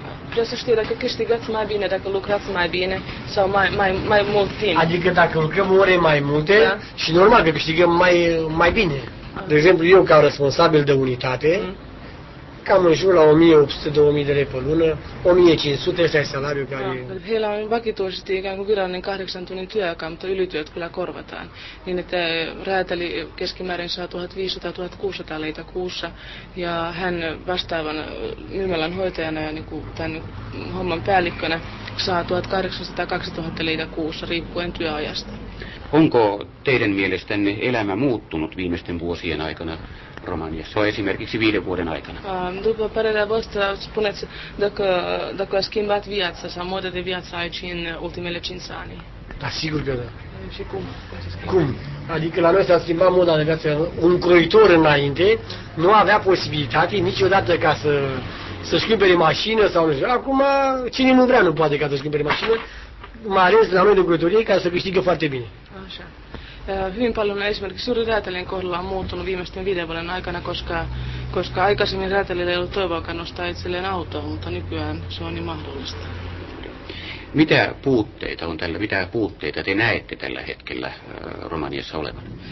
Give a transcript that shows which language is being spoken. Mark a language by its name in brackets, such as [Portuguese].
[Romanian] Vreau să știu dacă câștigați mai bine, dacă lucrați mai bine sau mai mult timp. Adică dacă lucrăm ore mai multe, da? Și normal că câștigăm mai bine. De exemplu, eu ca responsabil de unitate, cam în jur la 1800-2000 de lei pe lună, 1500, ăsta e salariul care... [Finnish] Heillä on vakituisesti ikään kuin virallinen 8 tunnin työaika, mutta ylityöt kyllä korvataan. Niin että Räätäli keskimäärin saa 1500-1600 leitä kuussa, ja hän vastaavan myymälän hoitajana ja niin kuin tämän homman päällikkönä saa 1800-2000 leitä kuussa riippuen työajasta. Onko teidän mielestänne elämä muuttunut viimeisten vuosien aikana? Romaniassa esimerkiksi 5 vuoden aikana. [Romanian] După părerea voastră, spuneți dacă a schimbat viața sau modul de viață aici în ultimele 5 ani. Da, sigur că da. Și cum? Cum? Adică la noi s-a schimbat modul de viață. Un croitor înainte nu avea posibilitate niciodată ca să schimbere mașină sau nu știu. Acum, cine nu vrea nu poate ca să schimbere mașină, mai ales la noi de croitorie, ca să câștigă foarte bine. Așa. [Finnish] Hyvin paljon esimerkiksi juuri Räätälien kohdalla on muuttunut viimeisten 5 vuoden aikana, koska aikaisemmin Räätälillä ei ollut toivoakaan nostaa itselleen autoa, mutta nykyään se on niin mahdollista. Mitä puutteita on tällä? Mitä puutteita te näette tällä hetkellä Romaniassa olevan?